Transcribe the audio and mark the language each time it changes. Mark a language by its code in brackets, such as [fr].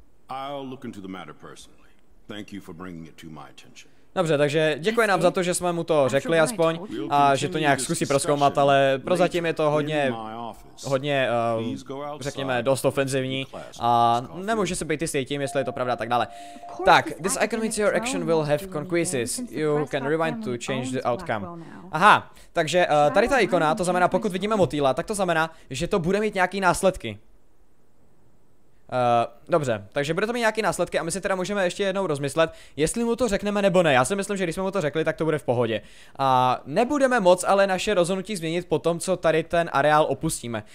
[en] I'll look into the matter personally. Thank you for bringing it to my attention. [cs] Dobře, takže děkuji nám za to, že jsme mu to řekli aspoň a že to nějak zkusí prozkoumat, ale prozatím je to hodně, řekněme, dost ofenzivní a nemůže se být jistý tím, jestli je to pravda a tak dále. [en] Tak, this Icarometeor action will have consequences. You can rewind to change the outcome. [cs] Aha, takže tady ta ikona, to znamená, pokud vidíme motýla, tak to znamená, že to bude mít nějaký následky. Dobře, takže bude to mít nějaký následky a my si teda můžeme ještě jednou rozmyslet, jestli mu to řekneme nebo ne. Já si myslím, že když jsme mu to řekli, tak to bude v pohodě. A nebudeme moc ale naše rozhodnutí změnit po tom, co tady ten areál opustíme.